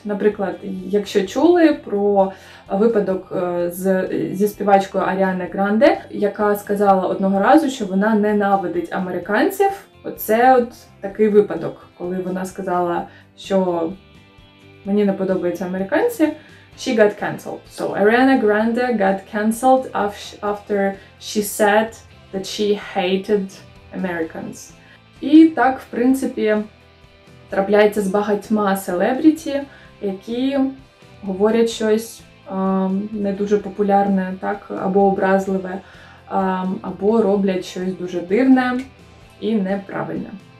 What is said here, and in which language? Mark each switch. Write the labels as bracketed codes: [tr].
[uk] Наприклад, якщо чули про випадок зі співачкою Аріани Гранде, яка сказала одного разу, що вона ненавидить американців, оце от такий випадок, коли вона сказала, що мені не подобаються американці, [en] she got cancelled. So Ariana Grande got cancelled after she said that she hated Americans. [uk] І так, в принципі, трапляється з багатьма селебріті, які говорять щось не дуже популярне, так, або образливе, або роблять щось дуже дивне і неправильне.